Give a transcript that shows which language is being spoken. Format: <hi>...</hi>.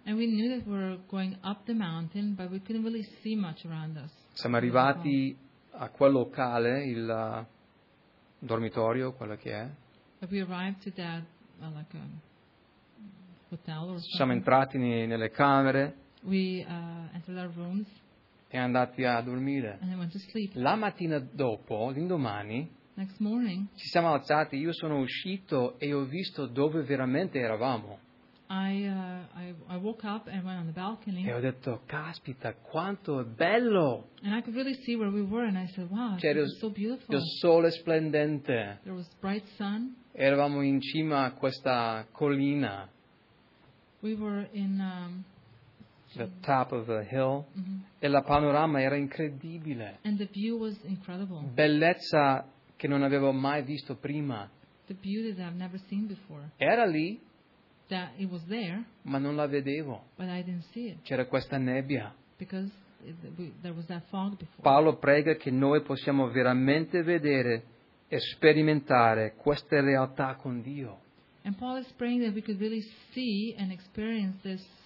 <en>And we knew that we were going up the mountain, but we couldn't really see much around us.</en> <it>Siamo arrivati a quel locale, il dormitorio, quello che è.</it> <en>But we arrived to that like a hotel or something.</en> <it>Siamo entrati nelle camere.</it> <en>We entered our rooms.</en> <it>E andati a dormire.</it> <en>And went to sleep.</en> <it>La mattina dopo, l'indomani,</it> <en>next morning,</en> <it>ci siamo alzati, io sono uscito e ho visto dove veramente eravamo.</it> <en>I woke up and went on the balcony.</en> <it>E ho detto, caspita, quanto è bello!</it> <en>And I could really see where we were and I said, wow,</en> <it>cioè,</it> <en>it's so beautiful.</en> <it>Il sole splendente.</it> <en>There was bright sun.</en> <it>Eravamo in cima a questa collina.</it> <en>We were in the top of the hill. Mm-hmm.</en> <it>E la panorama era incredibile.</it> <en>And the view was incredible.</en> <it>Bellezza che non avevo mai visto prima.</it> <en>The beauty that I've never seen before.</en> <it>Era lì.</it> <en>That it was there.</en> <it>Ma non la vedevo.</it> <en>But I didn't see it.</en> <it>C'era questa nebbia.</it> <en>Because there was that fog before.</en> <it>Paolo prega che noi possiamo veramente vedere e sperimentare questa realtà con Dio.</it> <en>And Paul is praying that we could really see and experience this</en>